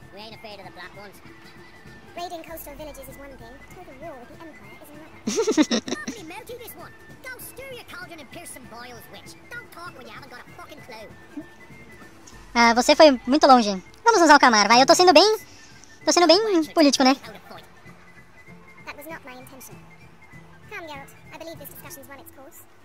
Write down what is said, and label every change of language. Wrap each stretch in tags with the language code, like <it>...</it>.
<en>We ain't afraid of the black ones. Raiding coastal villages is one thing. Total war with the Empire is another. Can't really melt you this one. Go stir your cauldron and pierce some boils, witch. Don't talk when you haven't got a fucking clue.</en> <pt>Ah, você foi muito longe. Vamos usar o Camar, vai. Eu tô sendo bem... Tô sendo bem político, né?</pt> <en>That was not my intention. Calm, Geralt. I believe this discussion's run its course.</en>